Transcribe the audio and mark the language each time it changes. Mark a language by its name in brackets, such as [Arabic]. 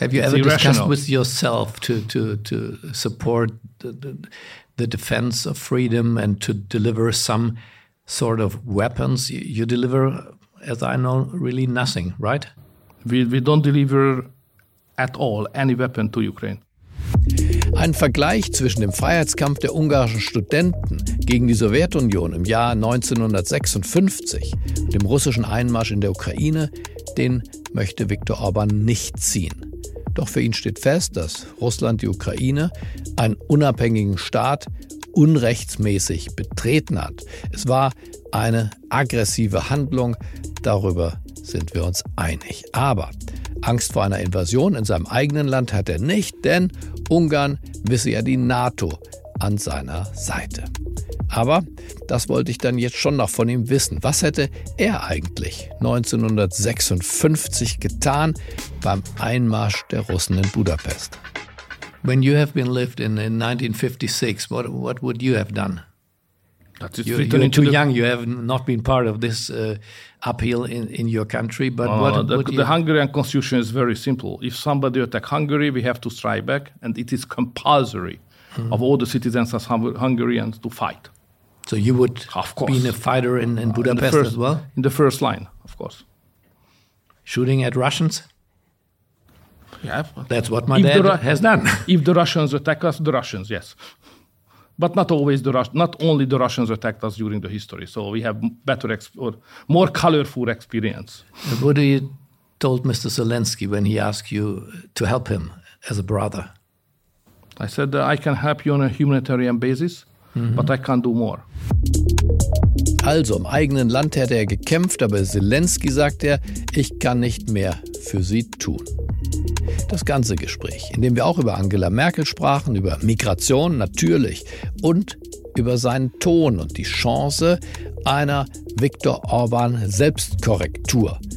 [English] Have you ever discussed with yourself to support the defense of freedom and to deliver some sort of weapons? You deliver, as I know, really nothing, right? We don't deliver at all any weapon to Ukraine. [German] Ein Vergleich zwischen dem Freiheitskampf der ungarischen Studenten gegen die Sowjetunion im Jahr 1956 und dem russischen Einmarsch in der Ukraine, den möchte Viktor Orbán nicht ziehen. Doch für ihn steht fest, dass Russland die Ukraine, einen unabhängigen Staat, unrechtsmäßig betreten hat. Es war eine aggressive Handlung, darüber sind wir uns einig. Aber Angst vor einer Invasion in seinem eigenen Land hat er nicht, denn Ungarn wisse ja die NATO an seiner Seite. Aber das wollte ich dann jetzt schon noch von ihm wissen. Was hätte er eigentlich 1956 getan beim Einmarsch der Russen in Budapest? [English] When you have been lived in 1956, what would you have done? You're too young. You have not been part of this appeal in your country. But the Hungarian constitution is very simple. If somebody attack Hungary, we have to strike back, and it is compulsory of all the citizens of Hungarians to fight. So you would, of course, be a fighter in Budapest as well, in the first line, of course. Shooting at Russians. Yeah, that's what my dad has done. If the Russians attack us, the Russians, yes. But not only the Russians attacked us during the history. So we have better or more colorful experience. What have you told Mr. Zelensky when he asked you to help him as a brother? I said that I can help you on a humanitarian basis, but I can't do more. [German] Also im eigenen Land hätte er gekämpft, aber Selenskyj, sagt er, ich kann nicht mehr für sie tun. Das ganze Gespräch, in dem wir auch über Angela Merkel sprachen, über Migration natürlich und über seinen Ton und die Chance einer Viktor Orban-Selbstkorrektur.